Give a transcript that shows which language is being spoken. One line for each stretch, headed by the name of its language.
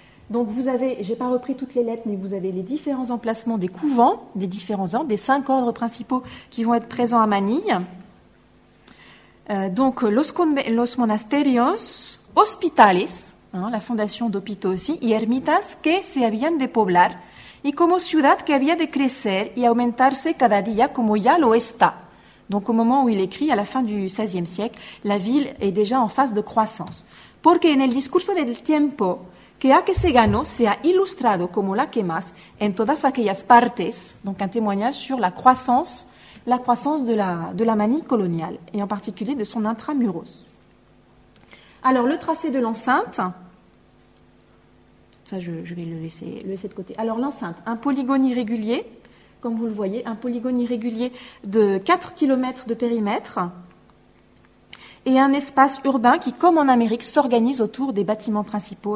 French: Donc vous avez, je n'ai pas repris toutes les lettres, mais vous avez les différents emplacements des couvents, des différents ordres, des cinq ordres principaux qui vont être présents à Manille.
Spanish: Donc los monasterios, hospitales, hein,
French: la fondation d'hôpitaux aussi,
Spanish: y ermitas que se habían de poblar, y como ciudad que había de crecer y aumentarse cada día como ya lo está.
French: Donc au moment où il écrit, à la fin du XVIe siècle, la ville est déjà en phase de croissance.
Spanish: Porque en el discurso del tiempo, que a que se ganó se ha ilustrado como la que más en todas aquellas partes,
French: donc un témoignage sur la croissance de la manie coloniale, et en particulier de son intramuros. Alors, le tracé de l'enceinte, ça je vais le laisser de côté. Alors, l'enceinte, un polygone irrégulier, comme vous le voyez, un polygone irrégulier de 4 km de périmètre, et un espace urbain qui, comme en Amérique, s'organise autour des bâtiments principaux.